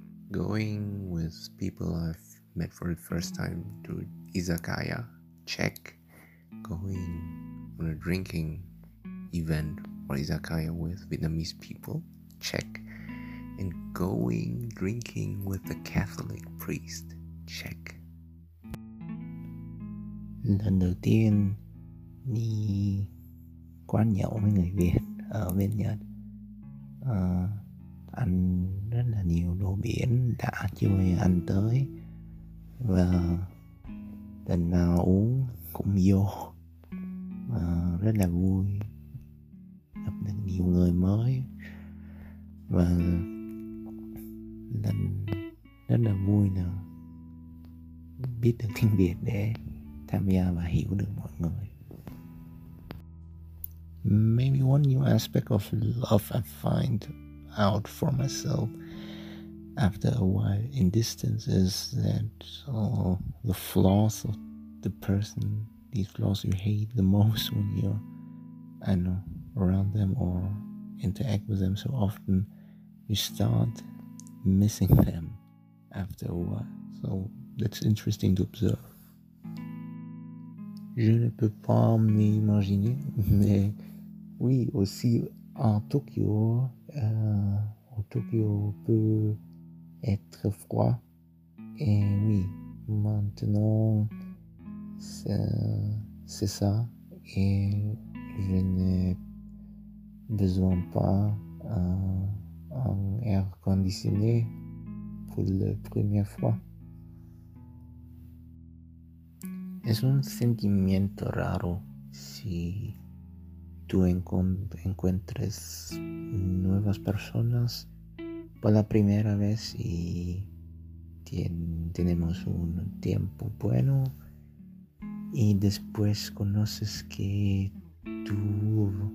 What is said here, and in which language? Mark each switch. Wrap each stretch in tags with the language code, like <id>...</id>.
<en>Going with people I've met for the first time to izakaya, check, going on a drinking event or izakaya with Vietnamese people, check. And going drinking with a Catholic priest, check.</en> <vi>Lần đầu tiên đi quán nhậu với người Việt ở bên Nhật, ăn rất là nhiều đồ biển đã chưa bao giờ ăn tới, và lần nào uống cũng vô, rất là vui gặp được nhiều người mới, và lần rất là vui là biết được tiếng Việt để tham gia và hiểu được mọi người.</vi> <en>Maybe one new aspect of love I find out for myself after a while in distance is that the flaws of the person, these flaws you hate the most when you're, I don't know, around them or interact with them so often, you start missing them after a while. So that's interesting to observe.</en> <fr>Je ne peux pas m'imaginer, mais oui, aussi en Tokyo, Tokyo peut être froid, et oui, maintenant c'est ça, et je n'ai besoin pas un air conditionné pour la première fois.</fr> <es>Es un sentimiento raro si tú encuentres nuevas personas por la primera vez y tenemos un tiempo bueno, y después conoces que tú</es>